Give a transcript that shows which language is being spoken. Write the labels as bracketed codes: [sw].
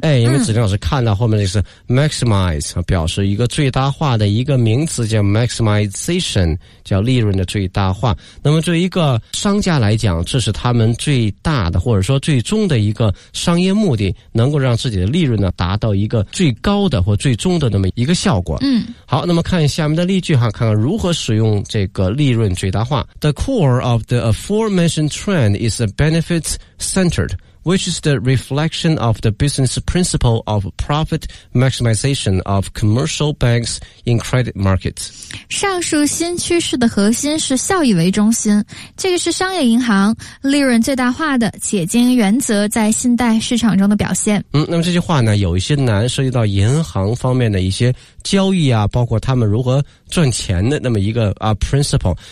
[zh] 哎，因为子宁老师看到后面就是 maximize， 表示一个最大化的一个名词叫 maximization， 叫利润的最大化。那么作为一个商家来讲，这是他们最大的或者说最终的一个商业目的，能够让自己的利润呢达到一个最高的或最终的那么一个效果。嗯，好，那么看下面的例句哈，看看如何使用这个利润最大化。 [en] The core of the aforementioned trend is a benefits centered,which is the reflection of the business principle of profit maximization of commercial banks in credit markets. [zh] 上述新趋势的核心是效益为中心，这个是商业银行利润最大化的且经营原则在信贷市场中的表现。嗯，那么这句话呢有一些难，涉及到银行方面的一些交易啊，包括他们如何赚钱的那么一个啊 principle。